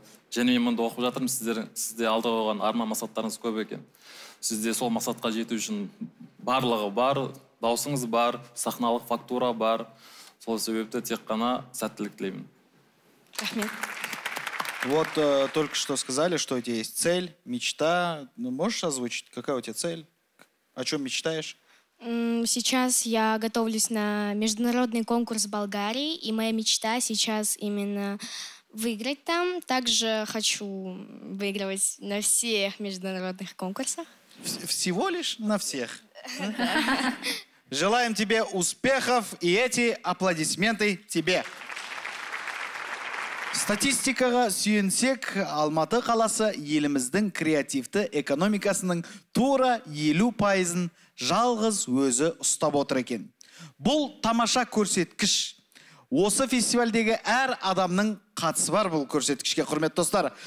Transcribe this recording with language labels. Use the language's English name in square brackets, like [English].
[Kazakh] Және мен мұнда оқып жатырмын. Сізде алдыға қойған арман мақсаттарыңыз көп екен. Сізде сол мақсатқа жету үшін барлығы бар. Даусыңыз бар, сахналық фактура бар. Сол себепті тек қана сәттілік тілеймін. Рахмет. [Russian] Вот только что сказали, что у тебя есть цель, мечта. Ну, можешь озвучить, какая у тебя цель? О чем мечтаешь? Сейчас я готовлюсь на международный конкурс в Болгарии, и моя мечта сейчас именно выиграть там. Также хочу выигрывать на всех международных конкурсах. Всего лишь на всех? Желаем тебе успехов, и эти аплодисменты тебе. [Kazakh] Статистикаға сүйенсек, Алматы қаласы еліміздің креативті экономикасының тура 50%-ын жалғыз өзі ұстап отыр екен. Бұл тамаша көрсеткіш. Осы фестивальдегі әр адамның қатысы бар бұл көрсеткішке, құрметті достар.